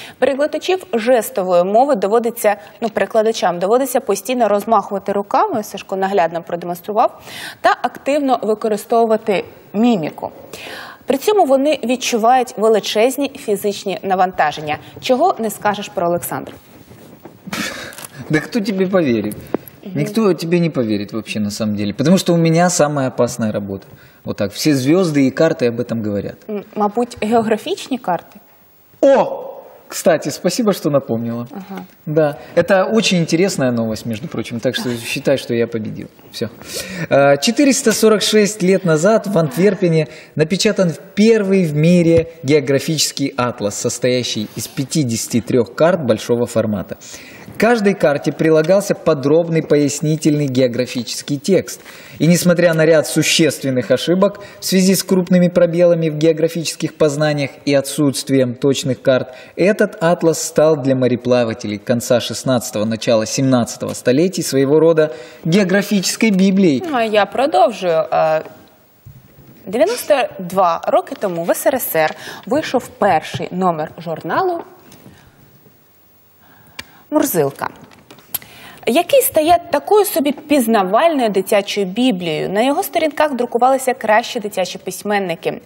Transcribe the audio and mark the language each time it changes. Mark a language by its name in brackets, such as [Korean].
[Ukrainian] Перекладачів жестової мови доводиться, ну, перекладачам доводиться постійно розмахувати руками, Сашко наглядно продемонстрував, та активно використовувати міміку. При цьому вони відчувають величезні фізичні навантаження. Чого не скажеш про Олександра? Да хто тобі повірить? Ніхто тобі не повірить, взагалі, насправді. Тому що у мене найбільш опасна робота. [Russian] Вот так, все звезды и карты об этом говорят. [Ukrainian] Мабуть, [Russian] географичные карты? О! Кстати, спасибо, что напомнила. Ага. Да, это очень интересная новость, между прочим, так что считай, что я победил. Все. 446 лет назад в Антверпене напечатан первый в мире географический атлас, состоящий из 53 карт большого формата. К каждой карте прилагался подробный пояснительный географический текст. И несмотря на ряд существенных ошибок в связи с крупными пробелами в географических познаниях и отсутствием точных карт, этот атлас стал для мореплавателей конца 16-го, начала 17-го столетий своего рода географической библией. [Ukrainian] Ну, а я продовжу. 92 роки тому в СРСР вийшов перший номер журналу «Мурзилка», який стає такою собі пізнавальною дитячою біблією. На його сторінках друкувалися кращі дитячі письменники.